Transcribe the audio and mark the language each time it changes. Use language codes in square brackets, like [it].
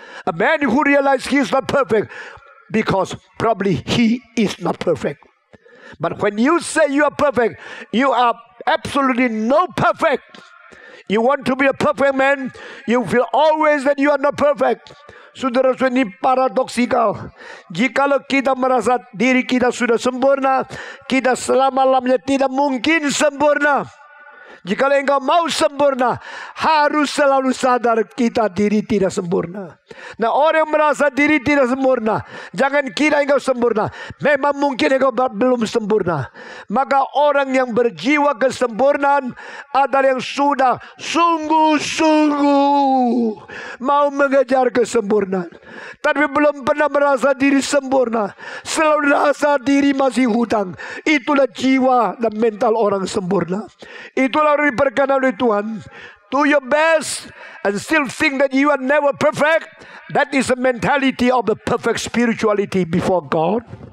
[en] A man who realizes he is not perfect, because probably he is not perfect. But when you say you are perfect, you are absolutely no perfect. You want to be a perfect man, you feel always that you are not perfect. [id] Saudara-saudara, ini paradoksikal. Jikalau kita merasa diri kita sudah sempurna, kita selama-lamanya tidak mungkin sempurna. Jikalau engkau mau sempurna, harus selalu sadar kita diri tidak sempurna. Nah, orang yang merasa diri tidak sempurna, jangan kira engkau sempurna. Memang mungkin engkau belum sempurna. Maka orang yang berjiwa kesempurnaan adalah yang sudah sungguh-sungguh mau mengejar kesempurnaan. Tapi belum pernah merasa diri sempurna, selalu merasa diri masih hutang. Itulah jiwa dan mental orang sempurna. Itulah orang diperkenan oleh Tuhan. [en] Do your best and still think that you are never perfect. That is the mentality of the perfect spirituality before God.